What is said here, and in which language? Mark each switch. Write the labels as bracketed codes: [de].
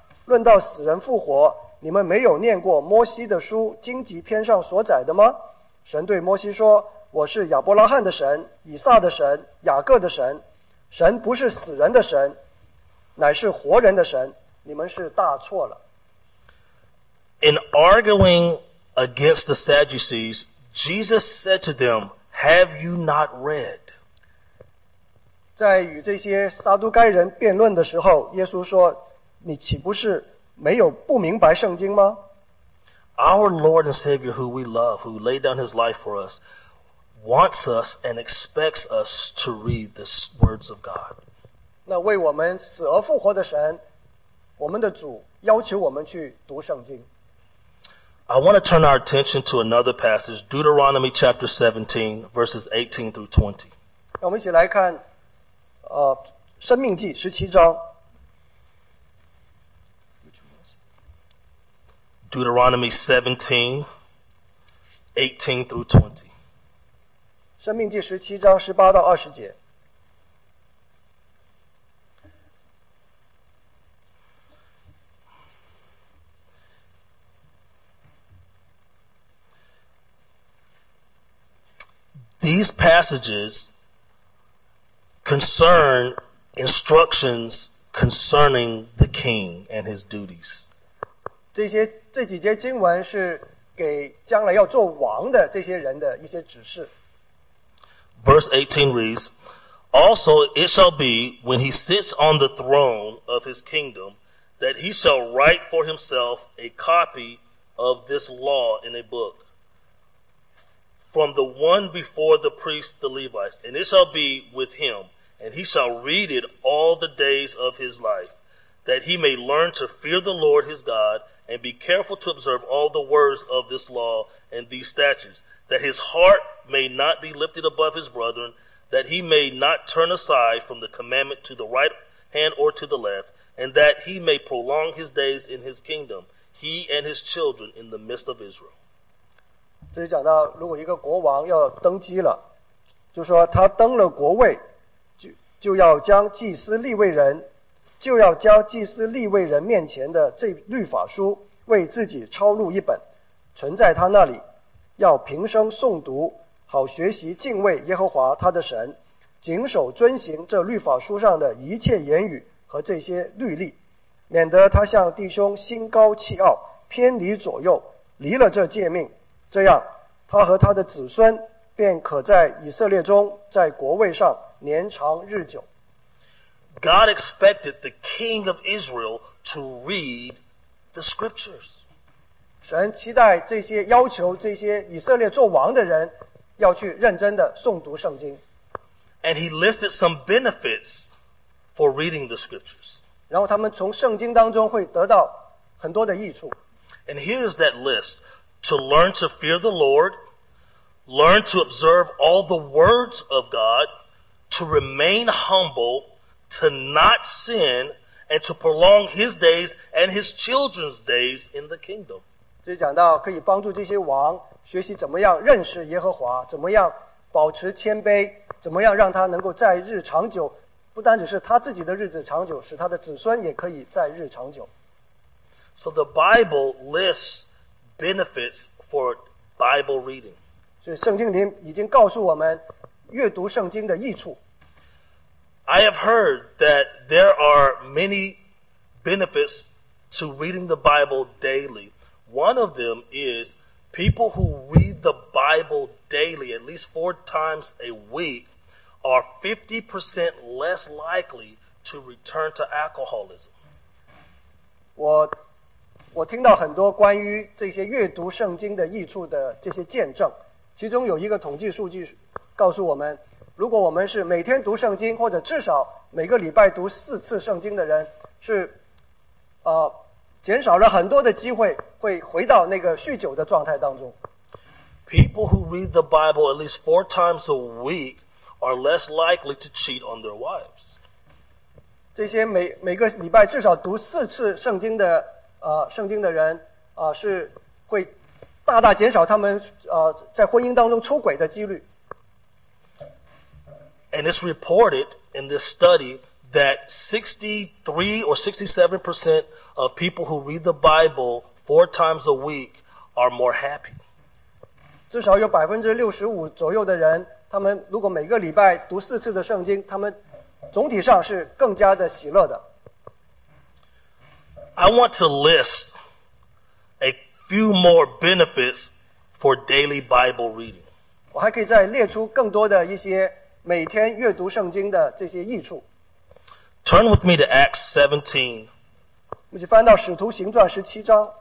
[zh] 论到死人复活，你们没有念过摩西的书荆棘篇上所载的吗？神对摩西说，我是亚伯拉罕的神，以撒的神，雅各的神。神不是死人的神，乃是活人的神，你们是大错了。 [en] In arguing against the Sadducees, Jesus said to them, Have you not read? [zh] 在与这些撒都该人辩论的时候，耶稣说，你岂不是没有不明白圣经吗？ [en] Our Lord and Savior who we love, who laid down his life for us, wants us and expects us to read the words of God. [zh] 那为我们死而复活的神，我们的主要求我们去读圣经。 [en] I want to turn our attention to another passage, Deuteronomy chapter 17, verses 18 through 20. [zh] 让我们一起来看，生命记十七章。 [en] Deuteronomy 17, 18 through 20. [zh] 生命记十七章十八到二十节。 [en] These passages concern instructions concerning the king and his duties. [zh] 这几节经文是给将来要做王的这些人的一些指示。 [en] Verse 18 reads, Also it shall be when he sits on the throne of his kingdom that he shall write for himself a copy of this law in a book. From the one before the priest, the Levites, and it shall be with him, and he shall read it all the days of his life, that he may learn to fear the Lord his God, and be careful to observe all the words of this law and these statutes, that his heart may not be lifted above his brethren, that he may not turn aside from the commandment to the right hand or to the left, and that he may prolong his days in his kingdom, he and his children in the midst of Israel. [zh] 这里讲到如果一个国王要登基了就说他登了国位 就要将祭司立位人就要将祭司立位人面前的这律法书为自己抄录一本存在他那里要平生诵读好学习敬畏耶和华他的神谨守遵行这律法书上的一切言语和这些律例免得他向弟兄心高气傲偏离左右离了这诫命这样他和他的子孙便可在以色列中在国位上年长日久。 [en] God expected the king of Israel to read the scriptures. [zh] 神期待这些要求这些以色列做王的人要去认真的诵读圣经。 [en] And he listed some benefits for reading the scriptures. [zh] 然后他们从圣经当中会得到很多的益处。 [en] And here is that list. To learn to fear the Lord, learn to observe all the words of God, to remain humble, to not sin, and to prolong his days and his children's days in the kingdom. [zh] 这里讲到可以帮助这些王学习怎么样认识耶和华，怎么样保持谦卑，怎么样让他能够在日长久，不单只是他自己的日子长久，使他的子孙也可以在日长久。 [en] So the Bible lists benefits for Bible reading. [zh] 所以圣经里已经告诉我们阅读圣经的益处。 [en] I have heard that there are many benefits to reading the Bible daily. One of them is people who read the Bible daily at least four times a week are 50% less likely to return to alcoholism. [zh] 我听到很多关于这些阅读圣经的益处的这些见证，其中有一个统计数据告诉我们，如果我们是每天读圣经，或者至少每个礼拜读四次圣经的人，是，减少了很多的机会会回到那个酗酒的状态当中。 [en] People who read the Bible at least four times a week are less likely to cheat on their wives. [zh] 这些每个礼拜至少读四次圣经的。圣经的人是会大大减少他们在婚姻当中出轨的几率。 [en] And it's reported in this study that 63 or 67% of people who read the Bible four times a week are more happy. [zh] 至少有65%左右的人，他们如果每个礼拜读四次的圣经，他们总体上是更加的喜乐的。 [en] I want to list a few more benefits for daily Bible reading. [zh] 我还可以再列出更多的一些每天阅读圣经的这些益处。 [en] Turn with me to Acts 17. [zh] 我们去翻到《使徒行传》十七章。